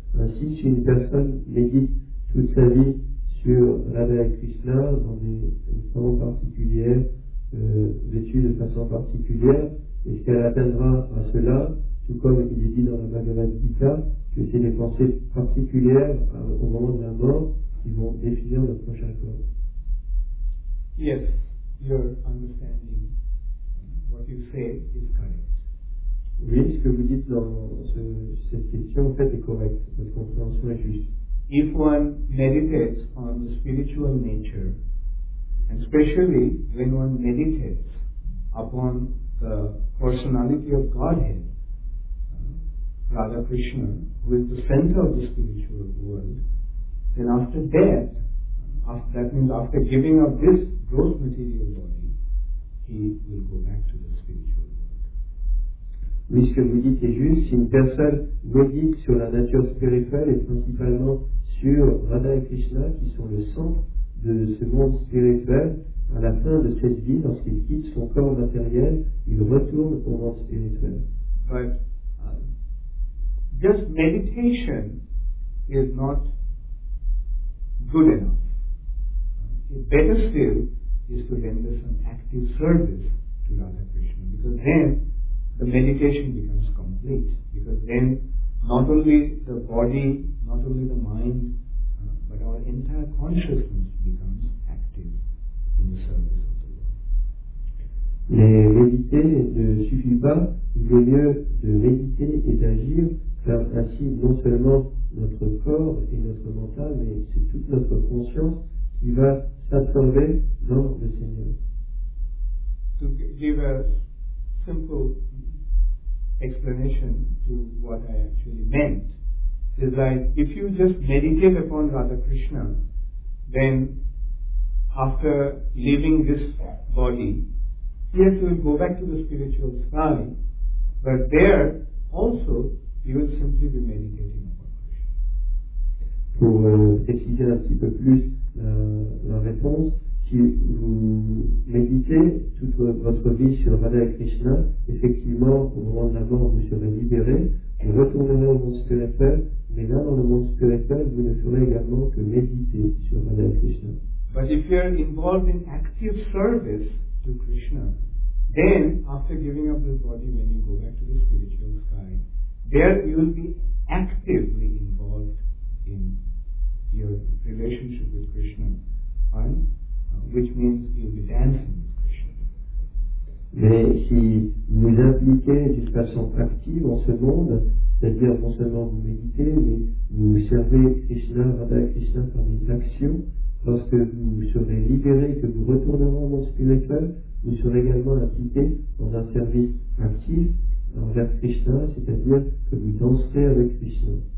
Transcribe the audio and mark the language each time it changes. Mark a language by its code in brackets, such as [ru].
[fr] Ainsi, si une personne médite toute sa vie sur Radha Krishna dans des formes particulières, vêtue de façon particulière, est-ce qu'elle atteindra à cela, tout comme il est dit dans la Bhagavad Gita, que c'est les pensées particulières au moment de la mort qui vont définir notre prochain corps? [en] Yes, your understanding, what you say is correct. [fr] Oui, ce que vous dites dans cette question en fait est correct. Votre compréhension est juste. [en] If one meditates on the spiritual nature, and especially when one meditates upon the personality of Godhead, Radha Krishna, who is the center of the spiritual world, then after death, that means after giving up this gross material body, he will go back to the spiritual world. [fr] Oui, ce que vous dites est juste. Si une personne médite sur la nature spirituelle et principalement sur Radha et Krishna, qui sont le centre de ce monde spirituel, à la fin de cette vie, lorsqu'il quitte son corps matériel, il retourne au monde spirituel. [en] But just meditation is not good enough. Better still, is to render some active service to Radha Krishna, because then the meditation becomes complete, because then not only the body, not only the mind, but our entire consciousness becomes active in the service of the Lord. [fr] Mais méditer ne suffit pas, il est mieux de méditer et d'agir, faire ainsi non seulement notre corps et notre mental, mais c'est toute notre conscience qui va s'absorber dans le Seigneur. [en] To give a simple explanation to what I actually meant, it's like if you just meditate upon Radha Krishna, then after leaving this body, yes, you will go back to the spiritual sky, but there also you will simply be meditating. [fr] Pour préciser un petit peu plus la réponse, si vous méditez toute votre vie sur Radha Krishna, effectivement, au moment de la mort, vous serez libéré, vous retournerez au monde spirituel, mais là, dans le monde spirituel, vous ne ferez également que méditer sur Radha Krishna. [en] But if you are involved in active service to Krishna, then, after giving up this body, when you go back to the spiritual sky, there you will be actively involved in your relationship with Krishna, which means you'll be dancing with Krishna. [fr] Mais si vous impliquez d'une façon active en ce monde, c'est-à-dire non seulement vous méditez, mais vous servez Krishna, Radha Krishna par des actions, lorsque vous serez libéré, que vous retournerez au monde spirituel, vous serez également impliqué dans un service actif envers Krishna, c'est-à-dire que vous danserez avec Krishna.